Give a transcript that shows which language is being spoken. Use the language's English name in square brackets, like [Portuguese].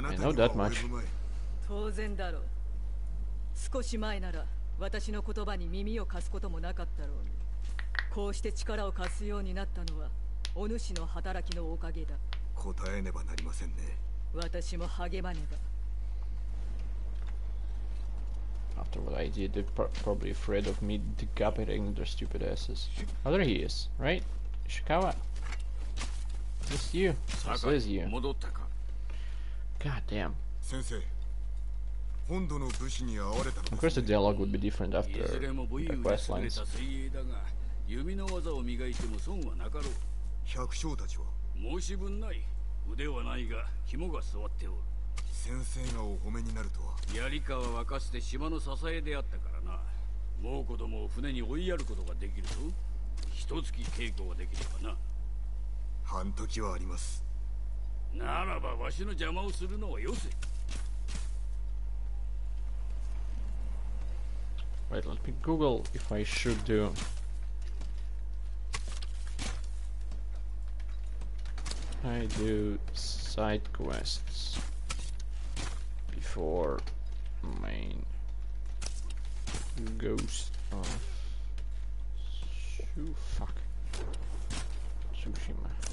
[Japanese] あなたには俺の前。当然だろう。少し前なら私の言葉に耳を貸すこともなかったろうに。こうして力を貸すようになったのは。お主の働きのおかげだ。答えねばなりませんね。私も励まねば。 [English] After what I did, they're probably afraid of me decapitating their stupid asses. Oh, there he is, right? Ishikawa. This you. This is you. [Japanese] 戻ったか。 [English] God damn. [Japanese] 先生、本土の武士に会われた [English] の。Of course, the dialogue would be different after the quest lines. [Japanese] いずれも武勇で優れた精鋭だが、弓の技を磨いても損はなかろう。百姓たちは申し分ない。腕はないが肝が据わっておる。先生がお褒めになるとは。槍川はかつて島の支えであったからな。猛虎どもを船に追いやることができるぞ。一月稽古ができればな。半時はあります。ならばわしの邪魔をするのはよせ。 [English] Wait, let me Google if I should do. I do side quests before main Ghost of Tsushima.